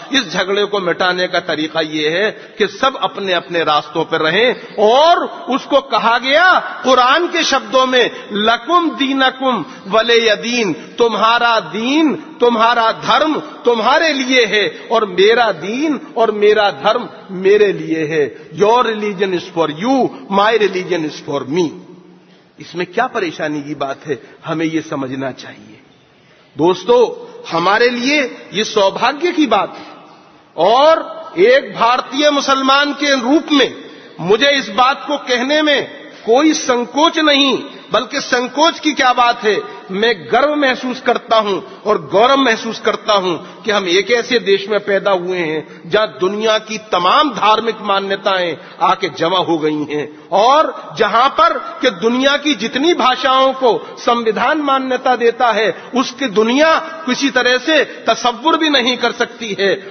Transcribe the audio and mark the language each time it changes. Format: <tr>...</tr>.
<ur>اس جھگڑے کو مٹانے کا طریقہ یہ ہے کہ سب اپنے اپنے راستوں پر رہیں. اور اس کو کہا گیا قرآن کے شبدوں میں</ur> <ar>لکم دینکم ولی دین,</ar> <ur>تمہارا دین تمہارا دھرم تمہارے لیے ہے اور میرا دین اور میرا دھرم میرے لیے ہے.</ur> <en>Your religion is for you, my religion is for me.</en> <ur>اس میں کیا پریشانی کی بات ہے, ہمیں یہ سمجھنا چاہیے. دوستو ہمارے لیے یہ سوبھاگیہ کی بات ہے, اور ایک بھارتیہ مسلمان کے روپ میں مجھے اس بات کو کہنے میں کوئی سنکوچ نہیں, بلکہ سنکوچ کی کیا بات ہے, میں گرو محسوس کرتا ہوں اور گورو محسوس کرتا ہوں کہ ہم ایک ایسے دیش میں پیدا ہوئے ہیں جہاں دنیا کی تمام دھارمک مانیتائیں آ کے جمع ہو گئی ہیں, اور جہاں پر کہ دنیا کی جتنی بھاشاؤں کو سمویدھان مانیتا دیتا ہے اس کی دنیا کسی طرح سے تصور بھی نہیں کر سکتی ہے.</ur>